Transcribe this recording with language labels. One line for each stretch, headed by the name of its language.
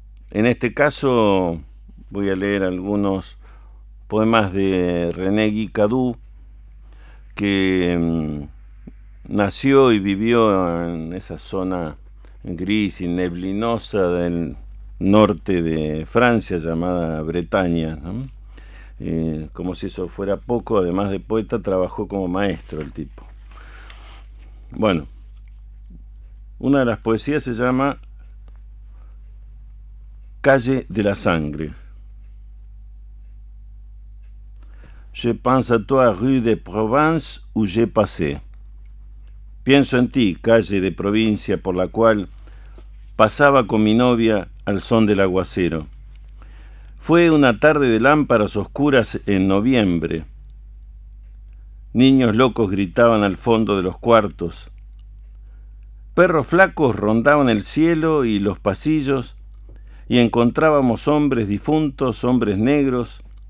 Spanish: En este caso voy a leer algunos poemas de René Guy Cadou, que nació y vivió en esa zona gris y neblinosa del norte de Francia llamada Bretaña, ¿no? Como si eso fuera poco, además de poeta, trabajó como maestro el tipo. Bueno, una de las poesías se llama Calle de la Sangre.
French: Je pense à toi, rue de Provence, où j'ai passé.
Spanish: Pienso en ti, calle de provincia, por la cual pasaba con mi novia al son del aguacero. Fue una tarde de lámparas oscuras en noviembre. Niños locos gritaban al fondo de los cuartos. Perros flacos rondaban el cielo y los pasillos, y encontrábamos hombres difuntos, hombres negros.